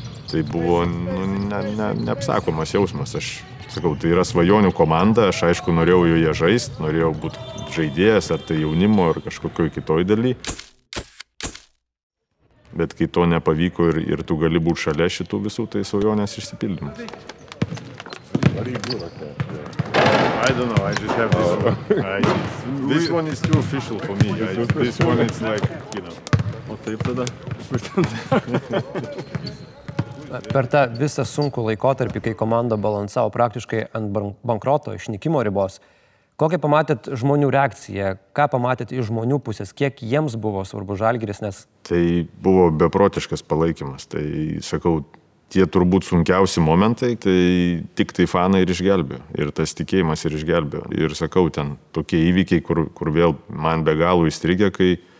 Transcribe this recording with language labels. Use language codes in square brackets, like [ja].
[lt] Tai buvo neapsakomas jausmas. Aš sakau, tai yra svajonių komanda, aš aišku norėjau joje žaist, norėjau būti žaidėjas ar tai jaunimo ar kažkokioj kitoj daly. Bet kai to nepavyko ir tu gali būti šalia šitų visų, tai svajonės išsipildymas. [en] I don't know, I just have this one. This one is too official for me. This one is like, you know. [lt] O taip tada? Per tą visą sunkų laikotarpį, kai komanda balansavo praktiškai ant bankroto, išnykimo ribos, kokią pamatėt žmonių reakciją, ką pamatėt iš žmonių pusės, kiek jiems buvo svarbu Žalgiris, nes... Tai buvo beprotiškas palaikymas, tai sakau, tie turbūt sunkiausi momentai, tai tik tai fanai ir išgelbėjo, ir tas tikėjimas ir išgelbėjo. Ir sakau, ten tokie įvykiai, kur vėl man be galo įstrigė, kai